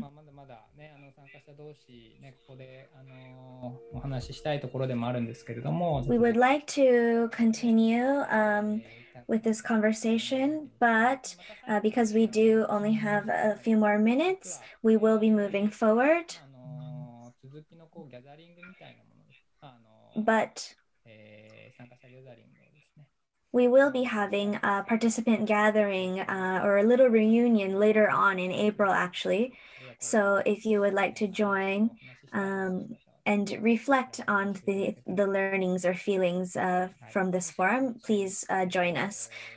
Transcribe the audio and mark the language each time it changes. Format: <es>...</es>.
<ja>まだまだね、参加者同士ね、ここでお話ししたいところでもあるんですけれども。</ja> <en>We would like to continue with this conversation, but because we do only have a few more minutes, we will be moving forward.</en> <ja>続きのこうギャザリングみたいなものです。But 参加者ギャザリングですね。</ja> <en>We will be having a participant gathering or a little reunion later on in April, actually. So if you would like to join and reflect on the learnings or feelings from this forum, please join us.</en>